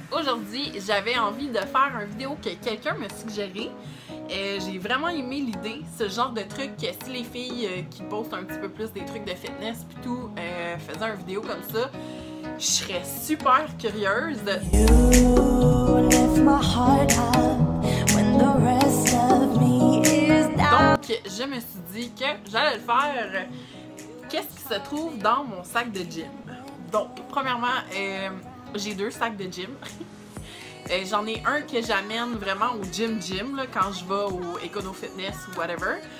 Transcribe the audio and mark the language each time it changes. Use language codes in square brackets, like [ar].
[fr] Aujourd'hui, j'avais envie de faire une vidéo que quelqu'un m'a suggéré. J'ai vraiment aimé l'idée, ce genre de truc que si les filles qui postent un petit peu plus des trucs de fitness pis tout faisaient une vidéo comme ça, je serais super curieuse. [en] You lift my heart up when the rest of me is down. [fr] Donc, je me suis dit que j'allais le faire. Qu'est-ce qui se trouve dans mon sac de gym? Donc, premièrement, j'ai deux sacs de gym. J'en ai un que j'amène vraiment au gym là, quand je vais au Econo Fitness ou whatever.